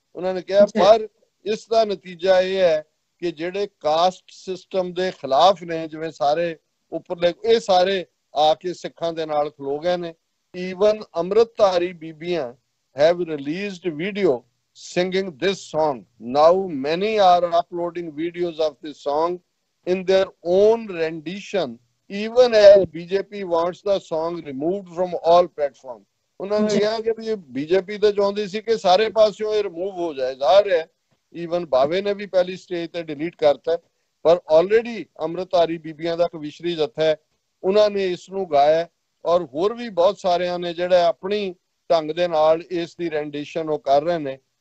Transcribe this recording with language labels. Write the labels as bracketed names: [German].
[Punjabi] ਉਹਨਾਂ ਨੇ ਕਿਹਾ ਪਰ ਇਸ ਦਾ ਨਤੀਜਾ ਇਹ ਹੈ ਕਿ ਜਿਹੜੇ ਕਾਸਟ ਸਿਸਟਮ ਦੇ ਖਿਲਾਫ ਨੇ, ਜਿਵੇਂ ਸਾਰੇ ਉੱਪਰਲੇ, ਇਹ ਸਾਰੇ ਆ ਕੇ ਸਿੱਖਾਂ ਦੇ ਨਾਲ ਖਲੋ ਗਏ ਨੇ। [English] Even Amritdhari ਬੀਬੀਆਂ have released video singing this song, now many are uploading videos of this song in their own rendition, even as BJP wants the song removed from all platforms. [Punjabi] ਉਹਨਾਂ ਨੇ ਕਿਹਾ ਕਿ ਵੀ ਬੀਜੇਪੀ ਤਾਂ ਚਾਹੁੰਦੀ ਸੀ ਕਿ ਸਾਰੇ ਪਾਸਿਓਂ ਇਹ ਰਿਮੂਵ ਹੋ ਜਾਏ, ਜ਼ਾਹਰ ਹੈ ਈਵਨ ਬਾਵੇ ਨੇ ਵੀ ਪਹਿਲੀ ਸਟੇਜ ਤੇ ਡਿਲੀਟ ਕਰਤਾ, ਪਰ ਆਲਰੇਡੀ ਅੰਮ੍ਰਿਤਧਾਰੀ ਬੀਬੀਆਂ ਦਾ ਕਵਿਸ਼ਰੀ ਜੱਥਾ ਹੈ, ਉਹਨਾਂ ਨੇ ਇਸ ਨੂੰ ਗਾਇਆ ਔਰ ਹੋਰ ਵੀ ਬਹੁਤ ਸਾਰਿਆਂ ਨੇ ਜਿਹੜਾ ਆਪਣੀ ਢੰਗ ਦੇ ਨਾਲ ਇਸ ਦੀ ਰੈਂਡੀਸ਼ਨ ਉਹ ਕਰ ਰਹੇ ਨੇ।